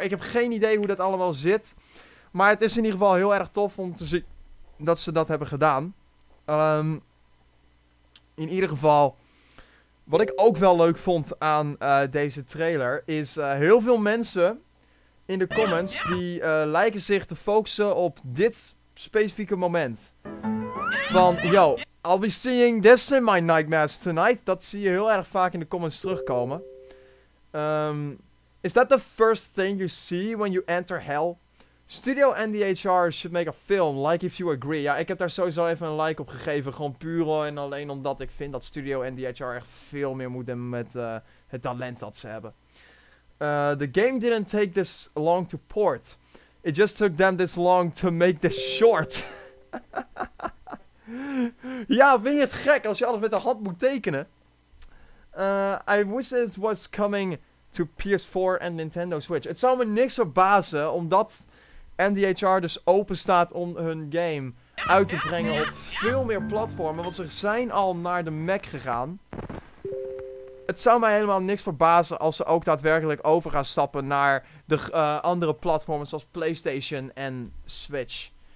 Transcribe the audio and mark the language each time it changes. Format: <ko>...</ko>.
<nl>Ik heb geen idee hoe dat allemaal zit. Maar het is in ieder geval heel erg tof om te zien dat ze dat hebben gedaan. In ieder geval, wat ik ook wel leuk vond aan deze trailer, is heel veel mensen in de comments die lijken zich te focussen op dit specifieke moment.</nl> <en>Van, yo, I'll be seeing this in my nightmares tonight.</en> <nl>Dat zie je heel erg vaak in de comments terugkomen.</nl> <en>Is that the first thing you see when you enter hell? Studio NDHR should make a film, like if you agree.</en> <nl>Ja, ik heb daar sowieso even een like op gegeven. Gewoon puur en alleen omdat ik vind dat Studio NDHR echt veel meer moet hebben met het talent dat ze hebben.</nl> <en>The game didn't take this long to port. It just took them this long to make this short.</en> <nl>Ja, vind je het gek als je alles met de hand moet tekenen?</nl> <en>I wish it was coming to PS4 and Nintendo Switch.</en> <nl>Het zou me niks verbazen, omdat NDHR dus open staat om hun game uit te brengen op veel meer platformen, want ze zijn al naar de Mac gegaan. Het zou mij helemaal niks verbazen als ze ook daadwerkelijk over gaan stappen naar de andere platformen zoals PlayStation en Switch.</nl>